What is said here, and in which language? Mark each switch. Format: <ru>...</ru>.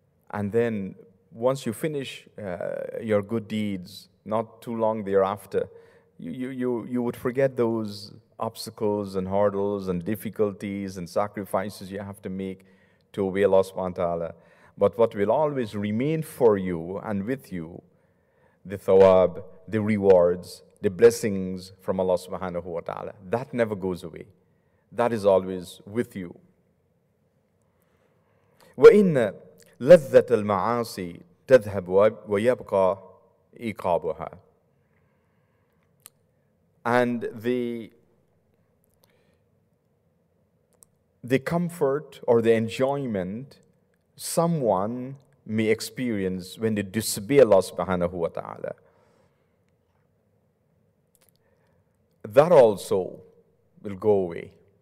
<en>And then once you finish your good deeds, not too long thereafter, you would forget those obstacles and hurdles and difficulties and sacrifices you have to make to obey Allah subhanahu wa ta'ala. But what will always remain for you and with you, the thawab, the rewards, the blessings from Allah subhanahu wa ta'ala, that never goes away. That is always with you.</en> <ar>لذت المعاصي تذهب ويبقى إيقابها.</ar> <en>And the comfort or the enjoyment someone may experience when they disobey Allah subhanahu wa ta'ala, that also will go away.</en>